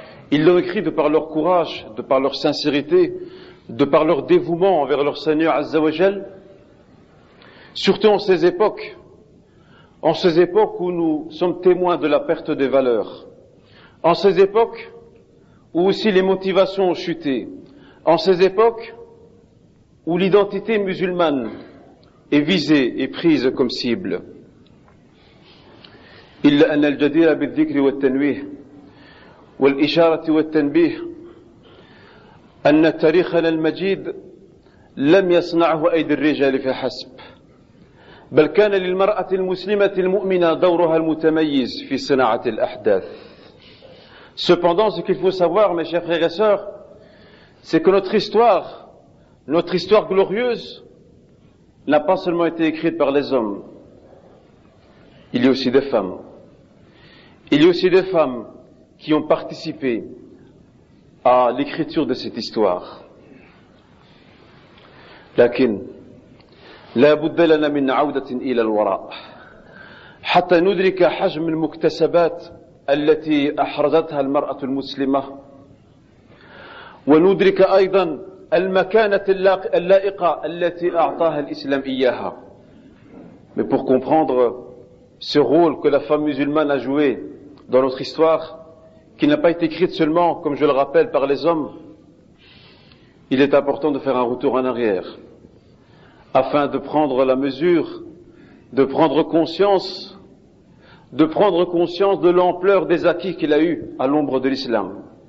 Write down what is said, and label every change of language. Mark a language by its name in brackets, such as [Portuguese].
[French] Ils l'ont écrit de par leur courage, de par leur sincérité, de par leur dévouement envers leur Seigneur Azza wa Jal, surtout en ces époques, où nous sommes témoins de la perte des valeurs, en ces époques où aussi les motivations ont chuté, en ces époques où l'identité musulmane est visée et prise comme cible. [Arabic] إلا أن الجدير بالذكر والتنويه والإشارة والتنبيه أن تاريخنا المجيد لم يصنعه أيدي الرجال فحسب، بل كان للمرأة المسلمة المؤمنة دورها المتميز في صناعة الأحداث. [French] Cependant, ce qu'il faut savoir, mes chers frères et sœurs, c'est que notre histoire glorieuse, n'a pas seulement été écrite par les hommes. Il y a aussi des femmes. Il y a aussi des femmes qui ont participé à l'écriture de cette histoire. [Arabic] لكن لا بد لنا من عودة إلى الوراء حتى ندرك حجم المكتسبات التي أحرزتها المرأة المسلمة، وندرك أيضا المكانة اللائقة التي أعطاها الإسلام إياها. [French] Mais pour comprendre ce rôle que la femme musulmane a joué dans notre histoire, qui n'a pas été écrite seulement, comme je le rappelle, par les hommes, il est important de faire un retour en arrière, afin de prendre la mesure, de prendre conscience de l'ampleur des acquis qu'il a eus à l'ombre de l'islam.